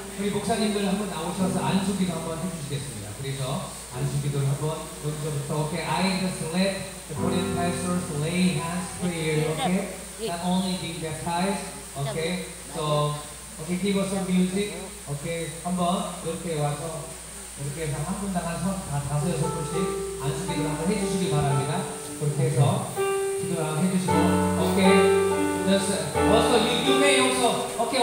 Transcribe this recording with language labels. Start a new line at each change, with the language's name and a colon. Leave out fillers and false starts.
Korean: 우리 목사님들 한번 나오셔서 안수 기도 한번 해주시겠습니다. 그래서 안수 기도를 한번 여기서부터
English: okay. I just let the Korean pastors lay hands prayer, okay? Not only being baptized, okay? So, okay, give us some music, okay?
Korean: 한번 이렇게 와서 이렇게 해서 한 분당 한 다섯 여섯 분씩 안수 기도를 한번 해주시기 바랍니다. 그렇게 해서 기도를 한번 해주시고,
English: okay? Just, also, you may also, okay?